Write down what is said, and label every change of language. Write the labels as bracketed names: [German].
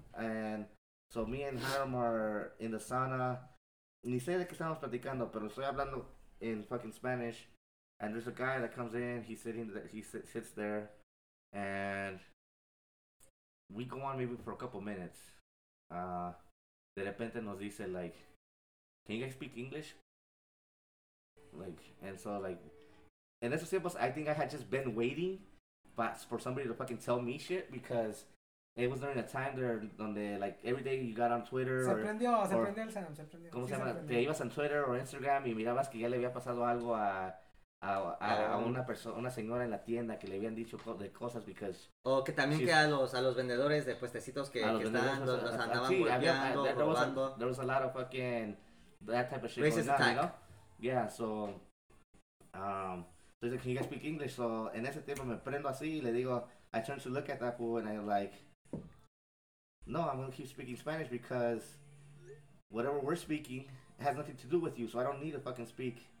[English] And so me and Harold are in the sauna. [Spanish] Ni sé de qué estamos platicando, pero estoy hablando in fucking Spanish. [English] And there's a guy that comes in, he sits there. And we go on maybe for a couple minutes. De repente nos dice, like, can you guys speak English? Like, and so, like, in esos tiempos, I think I had just been waiting for somebody to fucking tell me shit because It was during a time there donde like every day you got on Twitter [Spanish] se [English] or, [Spanish] prendió, [English] or [Spanish] se prendió el Sam, se prendió. ¿Cómo sí, se llama? Se prendió. Te ibas a Twitter o Instagram y mirabas que ya le había pasado algo a una persona, una señora en la tienda que le habían dicho de cosas because o que también que a los vendedores de puestecitos que están los andaban golpeando, robando. [English] There was a lot of fucking that type of shit going on, you know? Yeah, so entonces can you guys speak English? So en ese tiempo me prendo así y le digo, I turn to look at that fool and I'm like, no, I'm gonna keep speaking Spanish because whatever we're speaking has nothing to do with you, so I don't need to fucking speak.